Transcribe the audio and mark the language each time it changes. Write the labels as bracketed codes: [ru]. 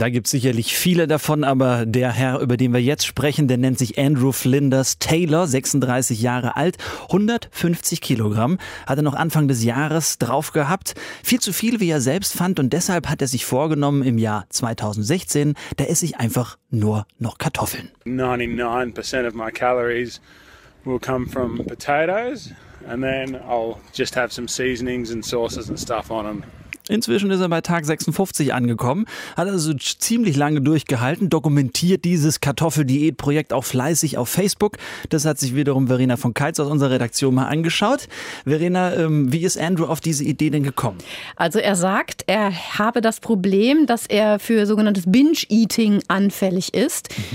[de] Da gibt es sicherlich viele davon, aber der Herr, über den wir jetzt sprechen, der nennt sich Andrew Flinders Taylor, 36 Jahre alt, 150 Kilogramm, hat er noch Anfang des Jahres drauf gehabt. Viel zu viel, wie er selbst fand, und deshalb hat er sich vorgenommen, im Jahr 2016, da esse ich einfach nur noch Kartoffeln. [en] 99% of my calories will come from potatoes. And then I'll just have some seasonings and sauces and stuff on them. [de] Inzwischen ist er bei Tag 56 angekommen, hat also ziemlich lange durchgehalten, dokumentiert dieses Kartoffeldiätprojekt auch fleißig auf Facebook. Das hat sich wiederum Verena von Keitz aus unserer Redaktion mal angeschaut. Verena, wie ist Andrew auf diese Idee denn gekommen? Also er sagt, er habe das Problem, dass er für sogenanntes Binge-Eating anfällig ist.